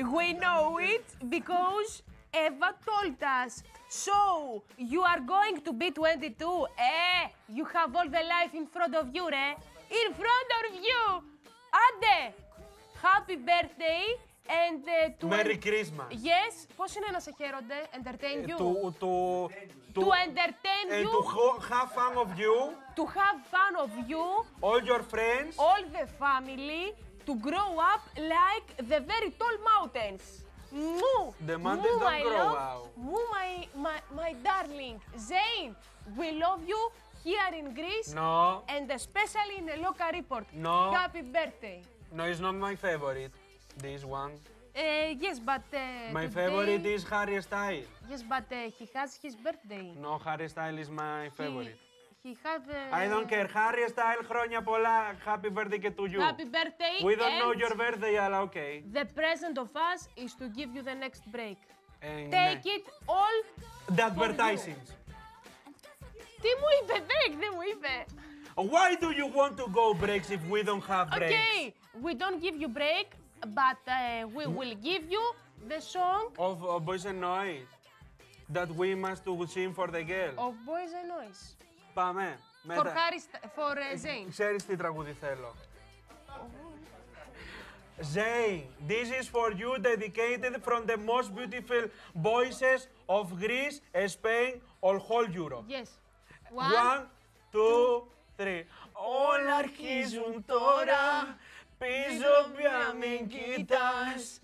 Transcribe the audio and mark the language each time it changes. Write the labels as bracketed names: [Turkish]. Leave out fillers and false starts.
[English] We know it because Eva told us. So, you are going to be 22. You have all the life in front of you, right? In front of you. Άντε, happy birthday and Merry Christmas. Yes, [Greek] πώς είναι να σε χαίρονται, [English] entertain you. To entertain you. To have fun of you. To have fun of you. All your friends. All the family. To grow up like the very tall mountains. [Greek] Μου, [English] the mountains [Greek] μου, [English] don't grow [Greek] μου, [English] my darling, Zayn, we love you here in Greece. No. And especially in the local report. No. Happy birthday. No, it's not my favorite, this one. Yes, but my today, favorite is Harry Styles. Yes, but he has his birthday. No, Harry Styles is my favorite. He had I don't care. [Greek] Harry Styles, χρόνια πολλά. [English] Happy birthday και to you. Happy birthday. We don't know your birthday, αλλά okay. The present of us is to give you the next break. Take it all the advertisements. [Greek] Τι μου είπε, break, δεν μου είπε. [English] Why do you want to go breaks if we don't have breaks? Okay, we don't give you break, but we will give you the song. Of Boys and Noise. That we must to sing for the girl. Of Boys and Noise. [Greek] Πάμε. [English] For Harry, for Zayn. [Greek] Ξέρεις τι τραγούδι θέλω. [English] Zayn, this is for you, dedicated from the most beautiful voices of Greece, Spain, or whole Europe. Yes. One, two, three. [Greek] Όλα αρχίζουν τώρα, πίσω πια μην κοιτάς.